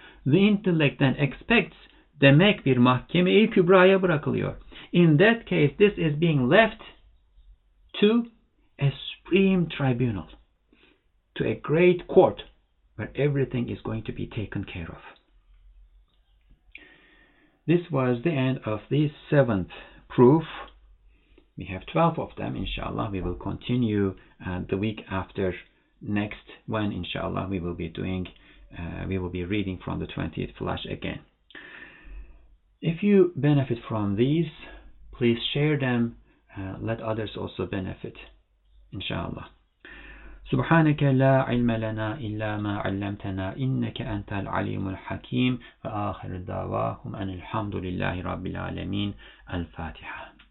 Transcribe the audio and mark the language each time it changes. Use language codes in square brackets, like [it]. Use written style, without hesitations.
[en] The intellect then expects, [tr] demek bir mahkeme-i kübraya bırakılıyor. [en] In that case, this is being left to a supreme tribunal, to a great court, where everything is going to be taken care of. This was the end of the seventh proof. We have 12 of them, inshallah. We will continue the week after next, when inshallah we will be doing, we will be reading from the 20th flash again. If you benefit from these, please share them. Let others also benefit, inshallah. [ar] سبحانك لا علم لنا إلا ما علمتنا إنك أنت العليم الحكيم وآخر دعواهم أن الحمد لله رب العالمين الفاتحة